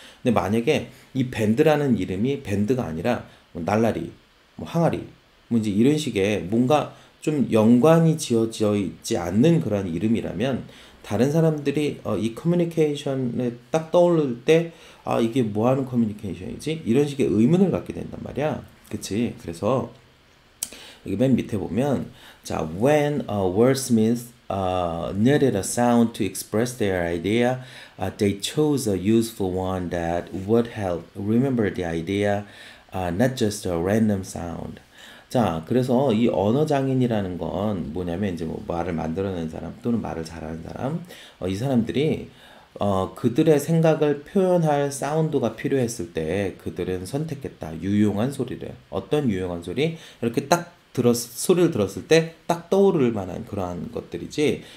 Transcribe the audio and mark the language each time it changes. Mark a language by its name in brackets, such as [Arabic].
[Korean] 근데 만약에 이 밴드라는 이름이 밴드가 아니라 뭐 날라리, 뭐 항아리, 뭐 이제 이런 식의 뭔가 좀 연관이 지어져 있지 않는 그런 이름이라면 다른 사람들이 이 커뮤니케이션에 딱 떠오를 때 아, 이게 뭐 하는 커뮤니케이션이지? 이런 식의 의문을 갖게 된단 말이야. 그치? 그래서 여기 맨 밑에 보면 자, [English] when wordsmiths needed a sound to express their idea, they chose a useful one that would help remember the idea, not just a random sound. [Korean] 자, 그래서 이 언어장인이라는 건 뭐냐면 이제 뭐 말을 만들어낸 사람 또는 말을 잘하는 사람, 이 사람들이 그들의 생각을 표현할 사운드가 필요했을 때 그들은 선택했다. 유용한 소리를. 어떤 유용한 소리? 이렇게 딱 소리를 들었을 때딱 떠오를 만한 그러한 것들이지.